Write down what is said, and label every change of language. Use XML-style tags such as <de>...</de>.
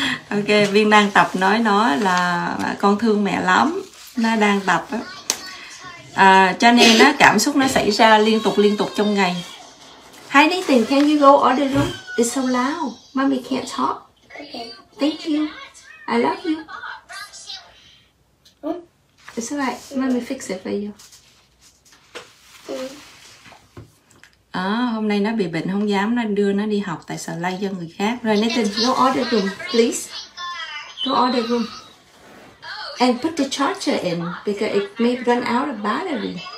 <vi>Ok, Viên đang tập nói nó là con thương mẹ lắm. Nó đang tập á. Cho nên nó cảm xúc nó xảy ra liên tục trong ngày.</vi> <en>Hi Nathan, can you go order the room? It's so loud. Mommy can't talk. Thank you. I love you. It's alright. Let me fix it for you.</en> <vi>Hôm nay nó bị bệnh không dám nó đưa nó đi học tại sợ lây cho người khác.</vi> <en>Rồi Nathan, go order room, please. Go order room. And put the charger in because it may run out of battery.</en>